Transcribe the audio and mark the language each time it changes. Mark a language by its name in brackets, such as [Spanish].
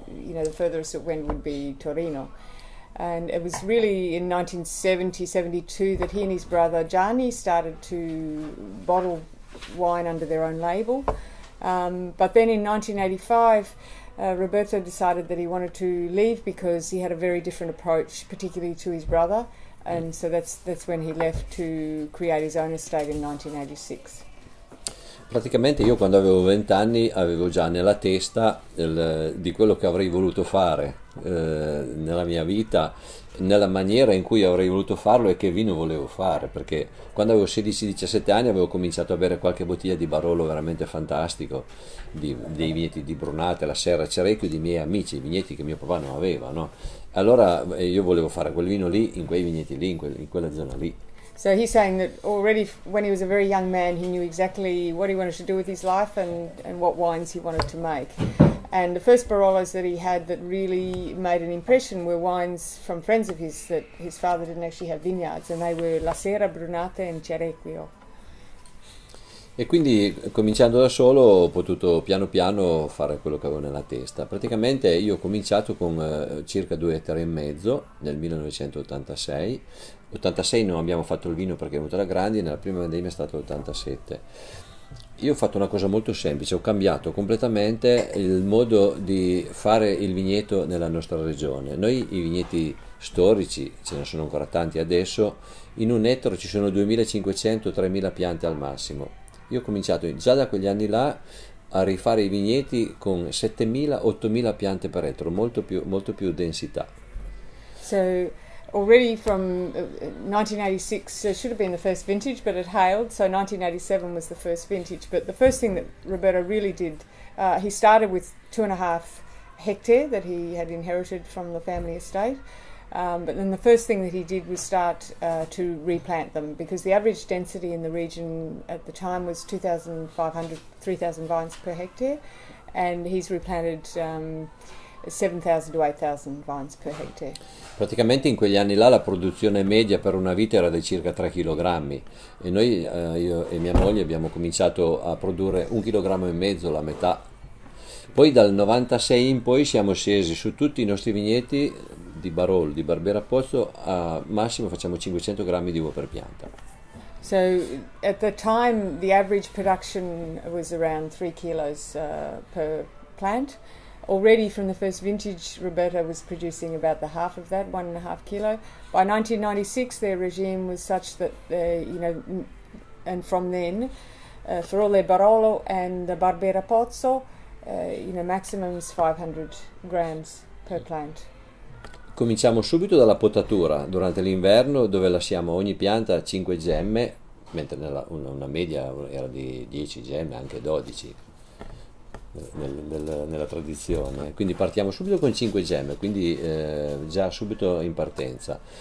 [English] The furthest it went would be Torino, and it was really in 1970-72 that he and his brother Gianni started to bottle wine under their own label. But then in 1985, Roberto decided that he wanted to leave because he had a very different approach, particularly to his brother. And so that's when he left to create his own estate in 1986. [Italian] Praticamente io, quando avevo 20 anni, avevo già nella testa di quello che avrei voluto fare nella mia vita, nella maniera in cui avrei voluto farlo e che vino volevo fare, perché quando avevo 16-17 anni avevo cominciato a bere qualche bottiglia di Barolo veramente fantastico, dei vigneti di Brunate, la Serra, Cerecchio, dei miei amici, i vigneti che mio papà non aveva, no? Allora io volevo fare quel vino lì, in quei vigneti lì, in quella zona lì. [English] So he's saying that already when he was a very young man he knew exactly what he wanted to do with his life and what wines he wanted to make. And the first Barolos that he had that really made an impression were wines from friends of his that his father didn't actually have vineyards, and they were La Sera, Brunate and Cerecchio. [Italian] E quindi, cominciando da solo, ho potuto piano piano fare quello che avevo nella testa. Praticamente io ho cominciato con circa 2,5 ettari nel 1986. 86 non abbiamo fatto il vino perché è venuta la grandine, la prima vendemmia è stata 87. Io ho fatto una cosa molto semplice, ho cambiato completamente il modo di fare il vigneto nella nostra regione. Noi i vigneti storici, ce ne sono ancora tanti adesso, in un ettaro ci sono 2500-3000 piante al massimo. Io ho cominciato già da quegli anni là a rifare i vigneti con 7000-8000 piante per ettaro, molto più densità. [English] So already from 1986, should have been the first vintage, but it hailed, so 1987 was the first vintage. But the first thing that Roberto really did, he started with 2.5 hectare that he had inherited from the family estate. But then the first thing that he did was start to replant them, because the average density in the region at the time was 2,500, 3,000 vines per hectare, and he's replanted 7,000 to 8,000 vines per hectare. [Italian] Praticamente in quegli anni là la produzione media per una vite era di circa 3 kg e noi, io e mia moglie, abbiamo cominciato a produrre 1,5 kg, la metà. Poi dal 96 in poi siamo scesi su tutti i nostri vigneti di Barolo, di Barbera Pozzo, a massimo facciamo 500 grammi di uva per pianta. [English] So at the time the average production was around 3 kilos per plant. Already from the first vintage, Roberto was producing about the half of that, 1.5 kilo. By 1996, their regime was such that, and from then, for all their Barolo and the Barbera Pozzo, maximum is 500 grams per plant. [Italian] Cominciamo subito dalla potatura. Durante l'inverno, dove lasciamo ogni pianta 5 gemme, mentre una media era di 10 gemme, anche 12. Nella tradizione, quindi partiamo subito con 5 gemme, quindi già subito in partenza.